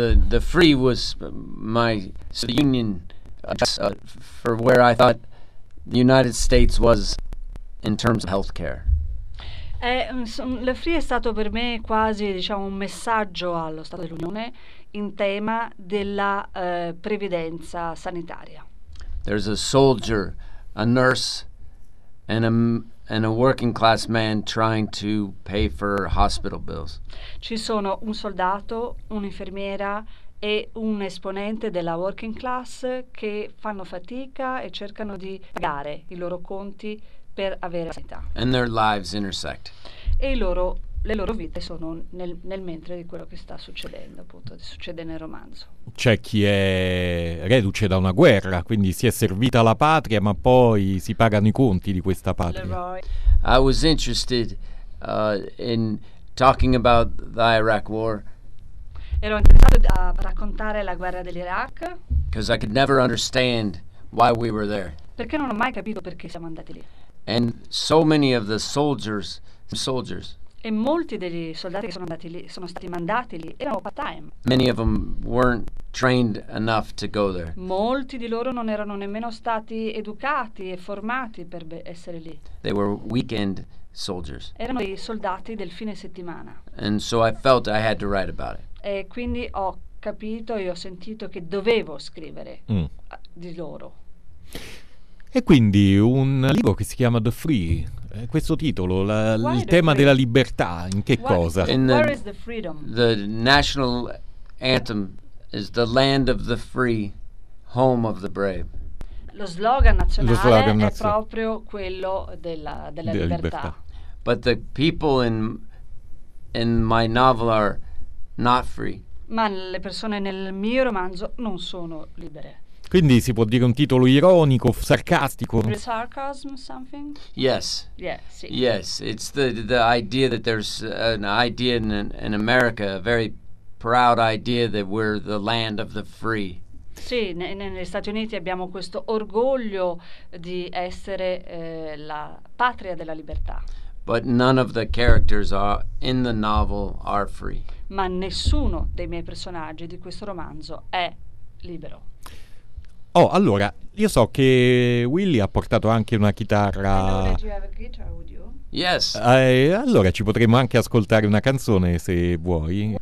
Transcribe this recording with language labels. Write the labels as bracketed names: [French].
[English] The free was my union for where I thought the United States was in terms of healthcare. [Italian] Le free è stato per me quasi, diciamo, un messaggio allo Stato dell'Unione in tema della previdenza sanitaria. [English] There's a soldier, a nurse, and a working class man trying to pay for hospital bills. [Italian] Ci sono un soldato, un'infermiera e un esponente della working class che fanno fatica e cercano di pagare i loro conti per avere sanità. [English] And their lives intersect. [Italian] E le loro vite sono nel mentre di quello che sta succedendo, appunto, succede nel romanzo. C'è chi è reduce da una guerra, quindi si è servita la patria, ma poi si pagano i conti di questa patria. [English] I was interested in talking about the Iraq war. [Italian] Ero interessato a raccontare la guerra dell'Iraq. [English] Because I could never understand why we were there. [Italian] Perché non ho mai capito perché siamo andati lì. [English] And so many of the soldiers. [Italian] E molti degli soldati che sono andati lì sono stati mandati lì, erano part time. [English] Many of them weren't trained enough to go there. [Italian] Molti di loro non erano nemmeno stati educati e formati per essere lì. [English] They were weekend soldiers. [Italian] Erano i soldati del fine settimana. [English] And so I felt I had to write about it. [Italian] E quindi ho capito e ho sentito che dovevo scrivere di loro. E quindi un libro che si chiama The Free, questo titolo, il tema della libertà, in che cosa? [English] Where is the freedom? The national anthem is the land of the free, home of the brave. [Italian] Lo slogan nazionale è proprio quello della libertà. [English] But the people in my novel are not free. [Italian] Ma le persone nel mio romanzo non sono libere. Quindi si può dire un titolo ironico, sarcastico. [English] Sarcasm, something? Yes. Yeah, sì. Yes, it's the idea that there's an idea in America, a very proud idea that we're the land of the free. [Italian] Sì, negli Stati Uniti abbiamo questo orgoglio di essere la patria della libertà. [English] But none of the characters are in the novel are free. [Italian] Ma nessuno dei miei personaggi di questo romanzo è libero. Oh, allora, io so che Willy ha portato anche una chitarra. [English] Yes. [Italian] Allora ci potremmo anche ascoltare una canzone se vuoi.